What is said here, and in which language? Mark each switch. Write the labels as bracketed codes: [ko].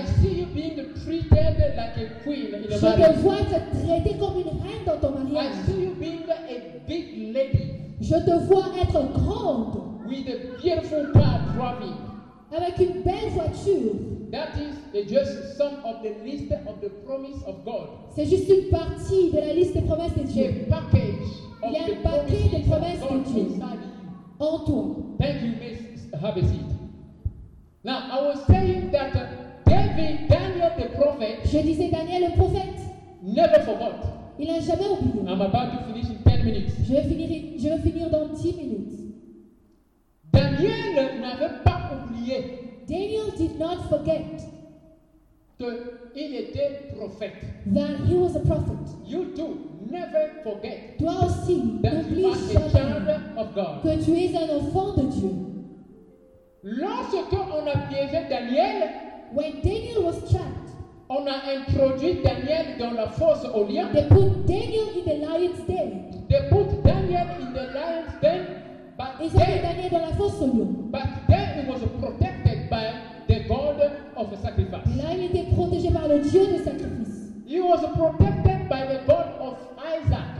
[en] I see you being treated like a queen in [fr] je [en] a [fr] te vois te traiter comme une reine dans ton mariage. [en] I see you being a big lady. [fr] Je te vois être grande. [en] With a beautiful car driving. [fr] Avec une belle voiture. [en] That is just some of the list of the promise of God. [fr] C'est juste une partie de la liste des promesses de Dieu. [en] A package of [fr] il y a [en] the [fr] un paquet de promesses [en] of God [fr] de Dieu [en] inside [fr] en toi. [en] Thank you, Miss. Have a seat. Now I was saying that David, Daniel the prophet, [fr] je disais Daniel le prophète, [en] never forgot. [fr] Il a jamais oublié. [en] I'm about to finish in 10 minutes. [fr] Je vais finir dans 10 minutes. Daniel n'avait pas oublié. [en] Daniel did not forget. [fr] Il était prophète. [en] That he was a prophet. You too, never forget. [fr] Toi aussi, n'oublie jamais que tu es un enfant de Dieu. Lorsque on a piégé Daniel, [en] when Daniel was trapped, [fr] on a introduit Daniel dans la fosse au lion. [en] They put Daniel in the lion's den. They put Daniel in the lion's den, but [fr] ils ont mis Daniel dans la fosse au lion. [en] But then he was protected by the God of sacrifice. [fr] Là, il était protégé par le Dieu de sacrifice. [en] He was protected by the God of Isaac.